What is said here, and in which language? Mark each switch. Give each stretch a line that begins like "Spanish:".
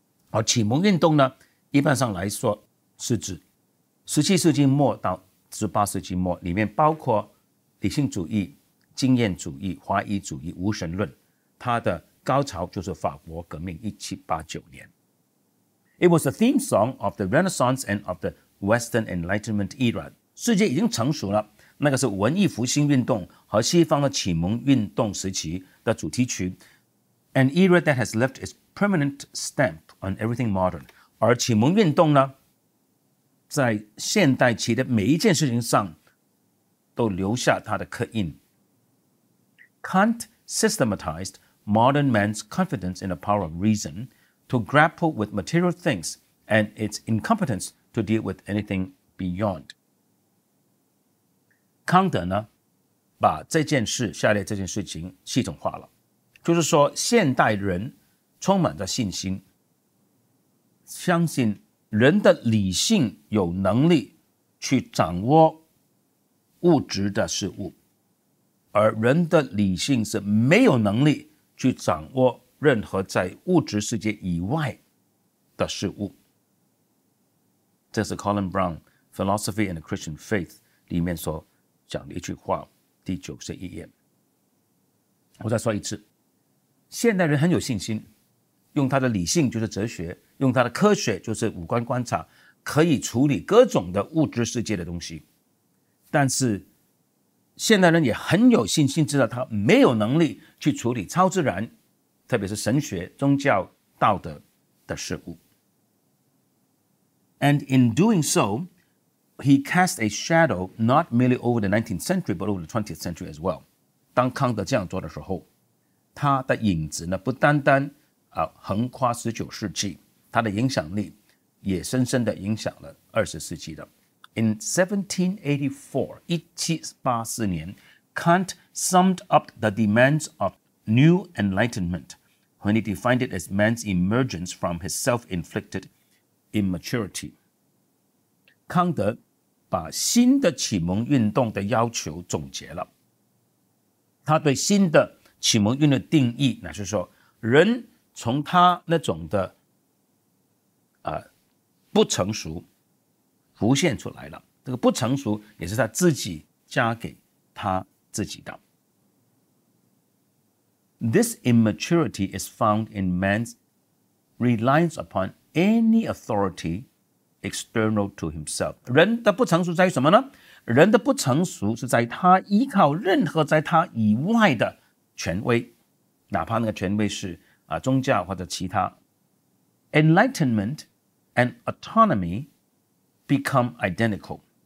Chinese: 而启蒙运动呢，一般上来说是指17世纪末到18世纪末，里面包括理性主义、经验主义、怀疑主义、无神论，它的高潮就是法国革命1789年。
English: It was a theme song of the Renaissance and of the Western Enlightenment era.
Chinese: 世界已经成熟了，那个是文艺复兴运动和西方的启蒙运动时期的主题曲。
English: An era that has left its permanent stamp on everything modern.
Chinese: 而启蒙运动呢，在现代期的每一件事情上都留下它的刻印。
English: Kant systematized modern man's confidence in the power of reason to grapple with material things and its incompetence to deal with anything beyond.
Chinese: 康德呢，把这件事，下列这件事情系统化了，就是说现代人充满着信心，相信人的理性有能力去掌握物质的事物，而人的理性是没有能力去掌握任何在物质世界以外的事物。这是 Colin Brown Philosophy and the Christian Faith 里面所讲的一句话，第91页。我再说一次，现代人很有信心，用他的理性就是哲学，用他的科学就是五官观察，可以处理各种的物质世界的东西。但是现代人也很有信心知道他没有能力去处理超自然，特别是神学、宗教、道德的事物。
English: And in doing so, he cast a shadow not merely over the 19th century, but over the 20th century as well.
Chinese: 当康德这样做的时候，他的影子呢，不单单、横跨19世纪，他的影响力也深深地影响了20世纪的。
English: In 1784, Kant summed up the demands of new enlightenment when he defined it as man's emergence from his self-inflicted immaturity.
Chinese: 康德把新的启蒙运动的要求总结了。他对新的启蒙运动的定义乃是说，人从他那种的、不成熟浮现出来了，这个不成熟也是他自己加给他自己的。
English: This immaturity is found in man's reliance upon any authority external to himself.
Chinese: 人的不成熟在于什么呢？人的不成熟是在他依靠任何在他以外的权威，哪怕那个权威是、宗教或者其他。
English: Enlightenment and autonomy. Become identical.